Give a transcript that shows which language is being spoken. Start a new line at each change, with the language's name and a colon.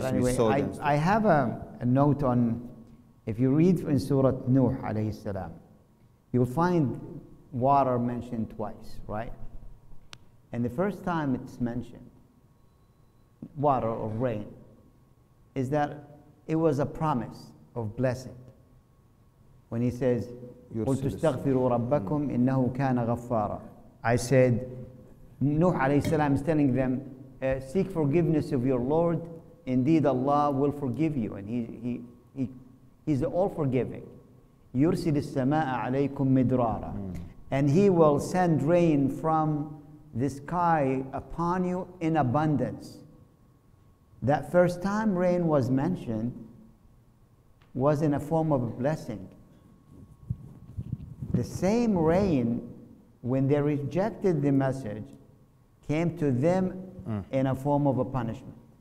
English: I have a note on, if you read in Surah Nuh alayhi salam, you'll find water mentioned twice, right? And the first time it's mentioned, water or rain, is that it was a promise of blessing. When he says,
Arabic: قلت استغفروا ربكم إنه كان غفارا.
English: I said, Nuh alayhi salam is telling them, seek forgiveness of your Lord. Indeed, Allah will forgive you, and He's all forgiving.
Arabic: يرسل السماء عليكم مدرارا.
English: And He will send rain from the sky upon you in abundance. That first time rain was mentioned was in a form of a blessing. The same rain, when they rejected the message, came to them in a form of a punishment.